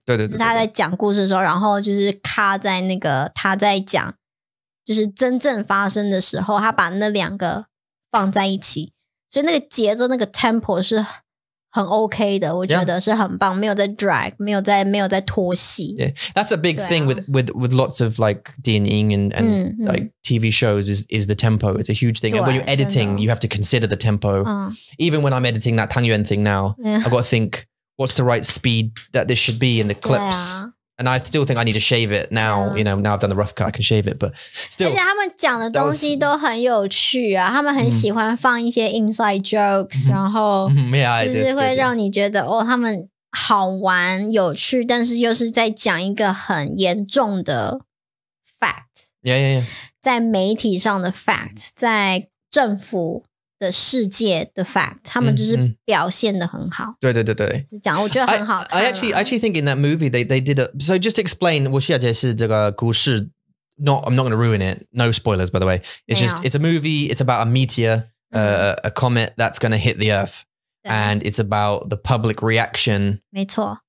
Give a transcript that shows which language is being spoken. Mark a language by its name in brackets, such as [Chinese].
[Chinese] 对对对，他在讲故事的时候, 然后就是卡在那个他在讲, 就是真正发生的时候, 他把那两个放在一起, 所以那个节奏, 那个 tempo 是很 OK 的, 我觉得是很棒, 没有在 drag, 没有在 拖戏. [English] Yeah. That's a big thing with lots of like 电影 and like TV shows is the tempo. It's a huge thing. And when you're editing, you have to consider the tempo. Even when I'm editing that Tang Yuan thing now, I've got to think what's the right speed that this should be in the clips. And I still think I need to shave it now. You know, now I've done the rough cut, I can shave it. But still, [Chinese] 而且他们讲的东西都很有趣啊，他们很喜欢放一些 inside jokes, 然后就是会让你觉得哦，他们好玩有趣，但是又是在讲一个很严重的 fact. [English] Yeah, yeah, yeah. [Chinese] 在媒体上的 fact, 在政府。的世界的 fact，他们就是表现的很好。对对对对，是讲，我觉得很好看。 [English] I actually think in that movie they did a so just explain [Chinese] 我需要解释这个故事 [English] Not I'm not going to ruin it. No spoilers, by the way. It's just it's a movie. It's about a meteor, a comet that's going to hit the Earth, and it's about the public reaction. [Chinese] 没错。